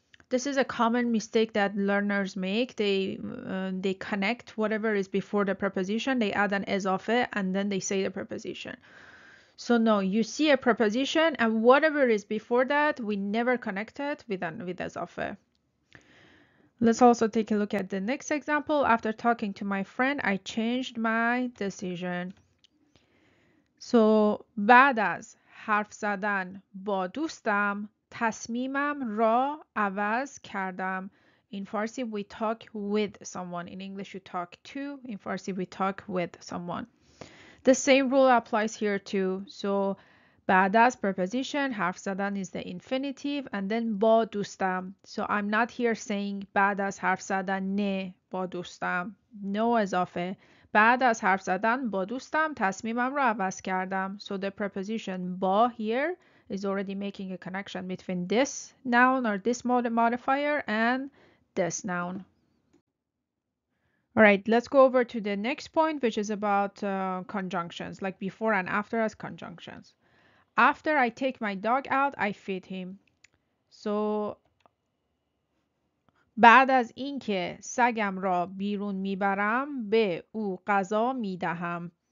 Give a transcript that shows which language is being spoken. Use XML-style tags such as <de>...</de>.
<en>This is a common mistake that learners make. They connect whatever is before the preposition. They add an ezafe and then they say the preposition. So no, you see a preposition and whatever is before that, we never connect it with ezafe. Let's also take a look at the next example. After talking to my friend, I changed my decision. So</en> <fa>بعد از حرف زدن با دوستم تصمیمم را عوض کردم.</fa> <en>In Farsi we talk with someone. In English you talk to. In Farsi we talk with someone. The same rule applies here too. So</en> <fa>بعد از</fa> <en>preposition</en> <fa>حرف زدن</fa> <en>is the infinitive and then</en> <fa>با دوستم.</fa> <en>So I'm not here saying</en> <fa>بعد از حرف زدن نه با دوستم.</fa> <en>No</en> <fa>اضافه. بعد از حرف زدن با دوستم تصمیمم رو عوض کردم.</fa> <en>So the preposition با here is already making a connection between this noun or this modifier and this noun. Alright, let's go over to the next point, which is about conjunctions, like before and after as conjunctions. After I take my dog out, I feed him. So,</en> <fa>بعد از این که سگم را بیرون میبرم به او غذا میدهم.</fa>